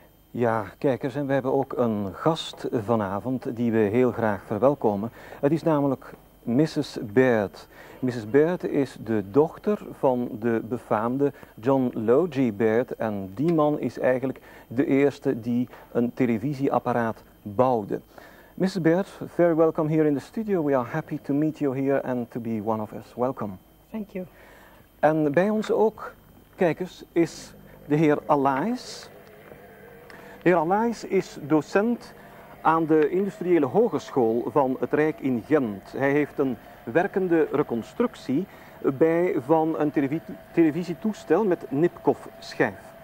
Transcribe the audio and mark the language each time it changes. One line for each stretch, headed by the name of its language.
Dutch: Ja, kijkers, en we hebben ook een gast vanavond die we heel graag verwelkomen. Het is namelijk Mrs. Baird. Mrs. Baird is de dochter van de befaamde John Logie Baird en die man is eigenlijk de eerste die een televisieapparaat bouwde.
English: Mrs. Baird, very welcome here in the studio. We are happy to meet you here and to be one of us. Welcome. Thank you.
Dutch: En bij ons ook, kijkers, is de heer Alais. De heer Alais is docent aan de Industriële Hogeschool van het Rijk in Gent. Hij heeft een werkende reconstructie bij van een televisietoestel met Nipkow-schijf.